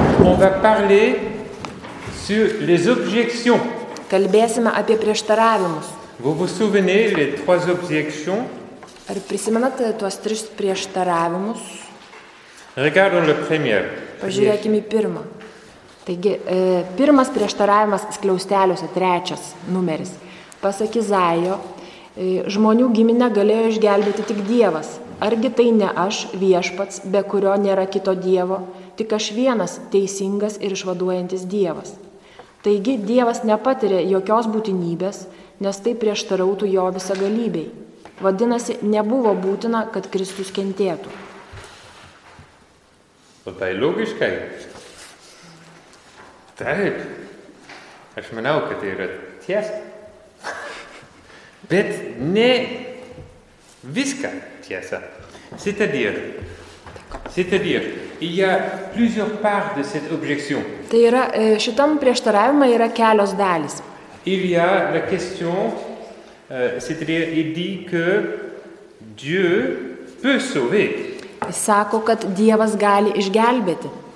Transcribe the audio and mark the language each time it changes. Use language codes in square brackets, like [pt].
[fr] On va parler sur les objections. [lt] Kalbėsime apie prieštaravimus. [fr] Vous vous souvenez les trois objections? [lt] Ar prisimenate tuos tris prieštaravimus? [fr] Regardons le premier. [lt] Pažiūrėkime į pirmą. Taigi, pirmas prieštaravimas skliausteliuose, trečias numeris. Pasak Izaijo, žmonių giminę galėjo išgelbėti tik Dievas. Argi tai ne aš, Viešpats, be kurio nėra kito Dievo, tik aš vienas teisingas ir išvaduojantis Dievas. Taigi, Dievas nepatiria jokios būtinybės, nes tai prieštarautų jo visagalybei. Vadinasi, nebuvo būtina, kad Kristus kentėtų. O tai logiškai? Taip. Aš manau, kad tai yra tiesa. Bet ne viską tiesa. [fr] C'est-à-dire, il y a plusieurs parts de cette objection. [lt] Tai yra, šitam prieštaravimui yra kelios dalys. [fr] Il y a la question, c'est-à-dire, il dit que Dieu peut sauver. [lt] Sako, kad Dievas gali išgelbėti.